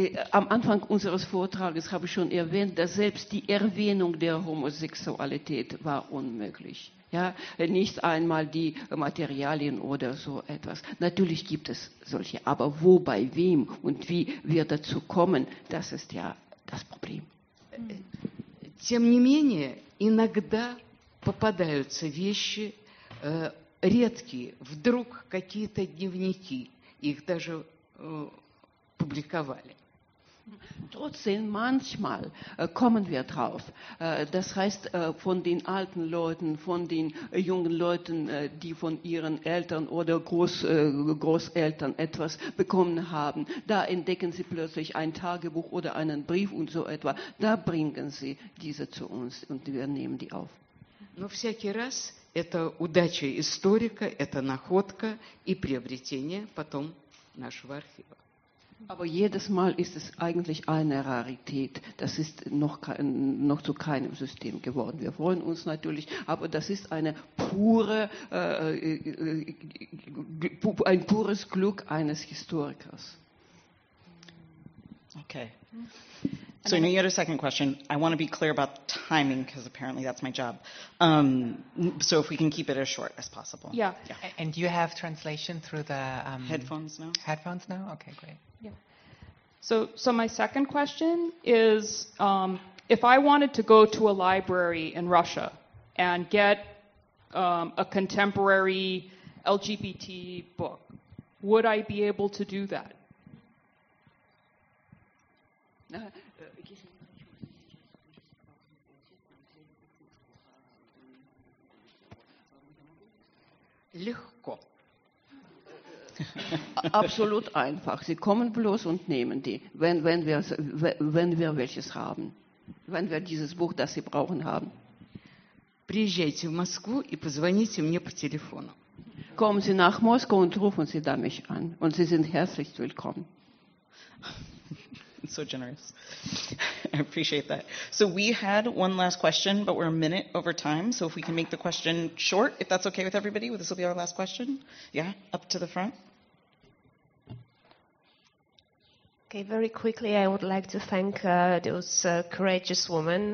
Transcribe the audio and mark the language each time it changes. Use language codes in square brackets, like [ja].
[de] Am Anfang unseres Vortrages habe ich schon erwähnt, dass selbst die Erwähnung der Homosexualität war unmöglich. Ja, nicht einmal die Materialien oder so etwas. Natürlich gibt es solche, aber wo, bei wem und wie wir dazu kommen, das ist ja das Problem. [ru] Тем не менее, иногда попадаются вещи редкие, вдруг какие-то дневники. Их даже публиковали. [de] Trotzdem, manchmal kommen wir drauf. Das heißt, von den alten Leuten, von den jungen Leuten, die von ihren Eltern oder Großeltern etwas bekommen haben, da entdecken sie plötzlich ein Tagebuch oder einen Brief und so etwa. Da bringen sie diese zu uns und wir nehmen die auf. [ru] Но всякий раз это удача историка, это находка и приобретение потом нашего архива. [de] Aber jedes Mal ist es eigentlich eine Rarität. Das ist noch zu keinem System geworden. Wir freuen uns natürlich, aber das ist eine pure, ein pures Glück eines Historikers. [en] Okay. So, you had a second question. I want to be clear about timing, because apparently that's my job. So if we can keep it as short as possible. Yeah. And do you have translation through the... headphones now? Headphones now? Okay, great. Yeah. So my second question is, if I wanted to go to a library in Russia and get a contemporary LGBT book, would I be able to do that? [ru] Легко. [de] Absolut einfach. Sie kommen bloß und nehmen die, wenn wir welches haben. Wenn wir dieses Buch, das Sie brauchen, haben. [ru] Приезжайте в Москву и позвоните мне по телефону. [de] Kommen Sie nach Moskau und rufen Sie da mich an. Und Sie sind herzlich willkommen. [en] So generous. I appreciate that. So we had one last question, but we're a minute over time. So if we can make the question short, if that's okay with everybody, this will be our last question. Yeah, up to the front. Okay, very quickly, I would like to thank those courageous women.